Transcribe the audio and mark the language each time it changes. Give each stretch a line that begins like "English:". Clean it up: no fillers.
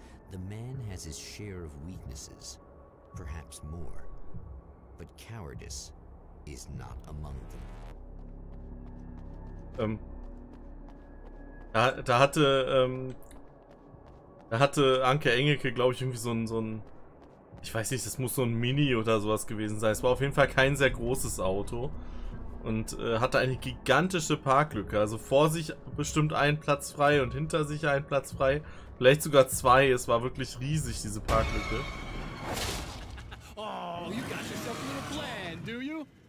English: The man has his share of weaknesses, perhaps more, but cowardice is not among them.
German: Da hatte Anke Engelke, glaube ich, irgendwie so ein, ich weiß nicht, das muss so ein Mini oder sowas gewesen sein. Es war auf jeden Fall kein sehr großes Auto und hatte eine gigantische Parklücke. Also vor sich bestimmt einen Platz frei und hinter sich einen Platz frei. Vielleicht sogar zwei. Es war wirklich riesig, diese Parklücke.
English: Oh, you got yourself a little plan, do you?